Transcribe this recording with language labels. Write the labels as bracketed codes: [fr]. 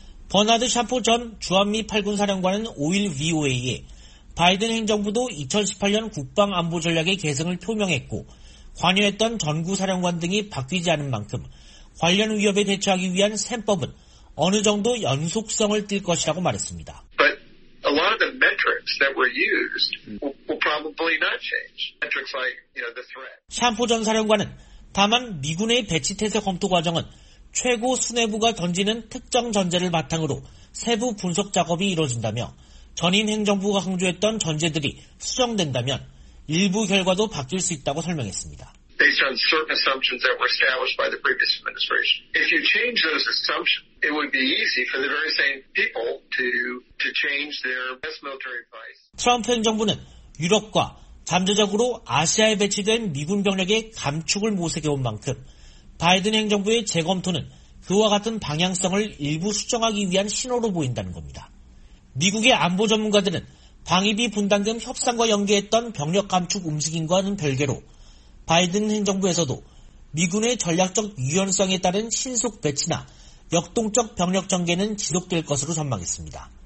[ko] 버나드 샴포 전 주한미 8군사령관은 5일 VOA에 바이든 행정부도 2018년 국방안보전략의 개선을 표명했고 관여했던 전구사령관 등이 바뀌지 않은 만큼 관련 위협에 대처하기 위한 셈법은 어느 정도 연속성을 띨 것이라고 말했습니다. [en] But a lot of the metrics that were used will probably not change. Metrics like, you know, the threat. [ko] 샴포 전 사령관은 다만 미군의 배치 태세 검토 과정은 최고 수뇌부가 던지는 특정 전제를 바탕으로 세부 분석 작업이 이뤄진다며 전임 행정부가 강조했던 전제들이 수정된다면 일부 결과도 바뀔 수 있다고 설명했습니다. [en] Based on certain assumptions that were established by the previous administration. If you change those assumptions, it would be easy for the very same people to change their best military advice. [ko] 트럼프 행정부는 유럽과 잠재적으로 아시아에 배치된 미군 병력의 감축을 모색해온 만큼 바이든 행정부의 재검토는 그와 같은 방향성을 일부 수정하기 위한 신호로 보인다는 겁니다. 미국의 안보 전문가들은 방위비 분담금 협상과 연계했던 병력 감축 움직임과는 별개로 바이든 행정부에서도 미군의 전략적 유연성에 따른 신속 배치나 역동적 병력 전개는 지속될 것으로 전망했습니다.